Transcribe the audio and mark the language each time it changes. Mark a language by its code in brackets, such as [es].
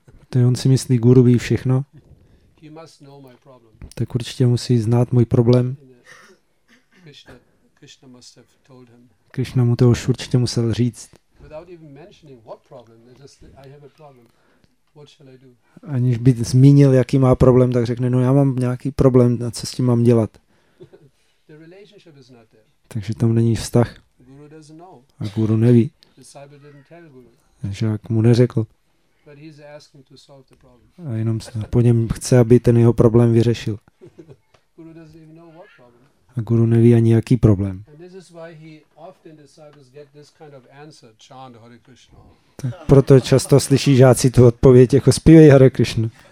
[cs] To on si myslí, guru ví všechno. [en] He must know my problem. [cs] Tak určitě musí znát můj problém. [en] Krishna must have told him. [cs] Krishna mu to už určitě musel říct. [en] Without even mentioning what problem, just I have a problem. What shall I do? [cs] Aniž by zmínil, jaký má problém, tak řekne, no já mám nějaký problém, na co s tím mám dělat. [en] The relationship is not there. [cs] Takže tam není vztah. [en] Guru doesn't know. [cs] A guru neví. [en] Disciple didn't tell guru. [cs] Žák mu neřekl. [en] But he's asking to solve the problem. [cs] A jenom se po něm chce, aby ten jeho problém vyřešil. [en] Guru doesn't even know what problem. [cs] A guru neví ani jaký problém. [en] And this is why he often disciples get this kind of answer, chant Hare Krishna. [cs] Tak proto často slyší žáci tu odpověď, jako zpívej Hare Krishna.